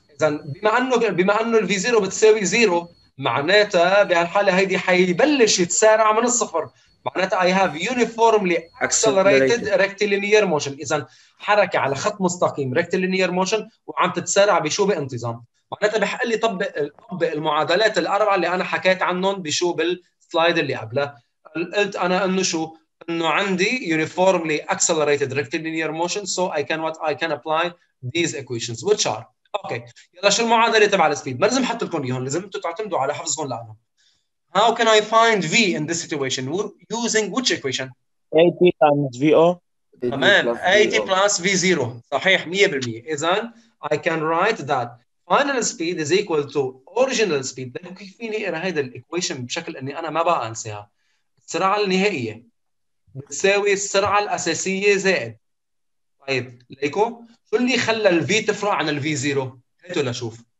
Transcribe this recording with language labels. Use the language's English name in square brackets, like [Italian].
[Arabic] إذن بما أنه الفي زيرو بتساوي زيرو معناتها بهالحالة هيدي حيبلش يتسارع من الصفر، معناتها [English] I have uniformly accelerated rectilinear motion. [Arabic] إذن حركة على خط مستقيم rectilinear motion وعم تتسارع بشو بانتظام، معناتها بحقلي طبق المعادلات الأربعة اللي أنا حكيت عنهم بشو بالسلايد اللي قبلها. قلت أنا أنه شو أنه عندي [English] uniformly accelerated rectilinear motion so I can apply these equations which are okay. [Arabic] يلا شو المعادلة تبع السبيد؟ ما لازم حط لكم اياهم، لازم انتم تعتمدوا على حفظكم لهم. [English] How can I find V in this situation using which equation؟ AT times VO. [Arabic] تمام، [English] AT plus V0. [Arabic] صحيح 100%. [English] إذا I can write that final speed is equal to original speed. [Arabic] كيف فيني اقرا هذا الايكويشن بشكل اني انا ما بقى انساها؟ السرعة النهائية بتساوي السرعة الأساسية زائد. طيب ليكو شو اللي خلى ال V تفرع عن ال V0؟ هاتوا لشوف.